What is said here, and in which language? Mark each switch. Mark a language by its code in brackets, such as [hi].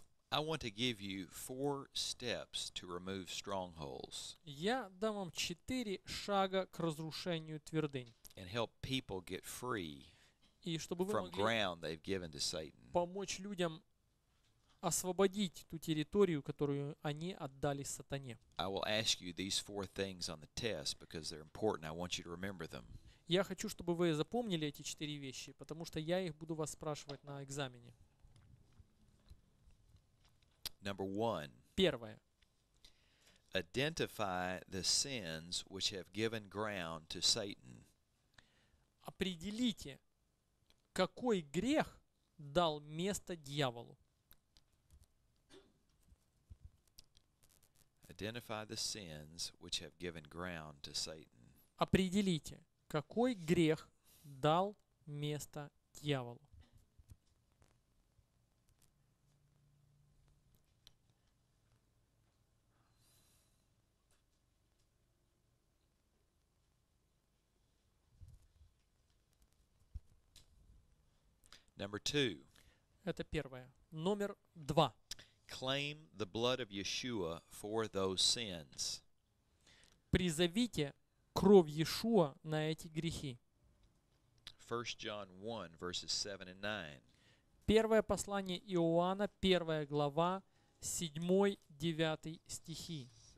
[en] I want to give you four steps to remove strongholds. [ru] Я дам вам четыре шага к разрушению твердынь. [en] And help people get free from ground they've given to Satan. [ru] Помочь людям освободить ту территорию, которую они отдали сатане. [en] I will ask you these four things on the test because they're important. I want you to remember them. [ru] Я хочу, чтобы вы запомнили эти четыре вещи, потому что я их буду вас спрашивать на экзамене. [en] Number one. [ru] Первое. [en] Identify the sins which have given ground to Satan. [ru] Определите, какой грех дал место дьяволу. [en] Identify the sins which have given ground to Satan. [ru] Определите, какой грех дал место дьяволу. [en] Number two. [ru] Это первое. Номер два. [en] Claim the blood of Yeshua for those sins. [ru] Призовите кровь Иешуа на эти грехи. [en] 1 John 1, verses 7 and 9. [ru] Первое послание Иоанна, первая глава, 7-9 стихи.